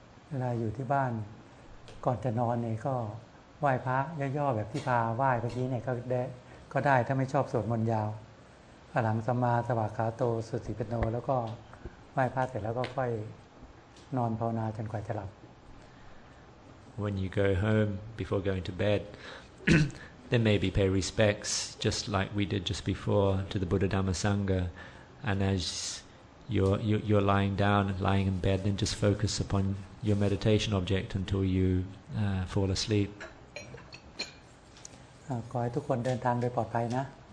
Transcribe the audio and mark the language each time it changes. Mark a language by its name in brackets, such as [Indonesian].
[Thai] เวลาอยู่ที่บ้านก่อนจะนอนเนี่ยก็ไหว้พระย่อๆแบบที่พาไหว้เมื่อกี้เนี่ยก็ได้ถ้าไม่ชอบสวดมนต์ยาวอรังสัมมาสวากขาโตสุตติปันโนแล้วก็ไหว้พระเสร็จแล้วก็ค่อยนอนภาวนาจนกว่าจะหลับ [English] When you go home before going to bed then maybe pay respects just like we did just before to the Buddha Dhamma Sangha and as you're lying down lying in bed then just focus uponyour meditation object until you fall asleep. [Thai] ขอให้ทุกคนเดินทางโดยปลอดภัยนะ